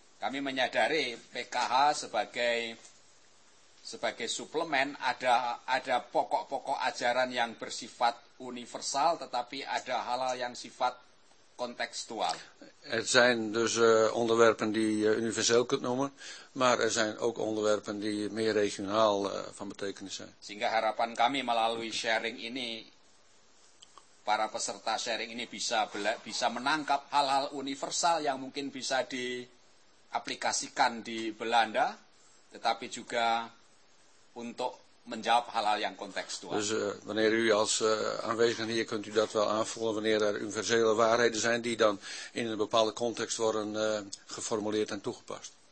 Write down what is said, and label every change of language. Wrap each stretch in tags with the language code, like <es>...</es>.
<id>Kami menyadari PKH sebagai suplemen ada pokok-pokok ajaran yang bersifat universal, tetapi ada hal-hal yang sifat contextual.</id> <nl>Er zijn dus onderwerpen die je universeel kunt noemen, maar er zijn ook onderwerpen die meer regionaal van betekenis zijn.</nl> <id>Sehingga harapan kami melalui sharing ini, para peserta sharing ini bisa menangkap hal-hal universal yang mungkin bisa diaplikasikan di Belanda, tetapi juga untuk menjawab hal-hal yang contextual.</id> <nl>Dus wanneer u als aanwezigen hier kunt u dat wel aanvoelen wanneer er universele waarheden zijn die dan in een bepaalde context worden geformuleerd en toegepast.</nl>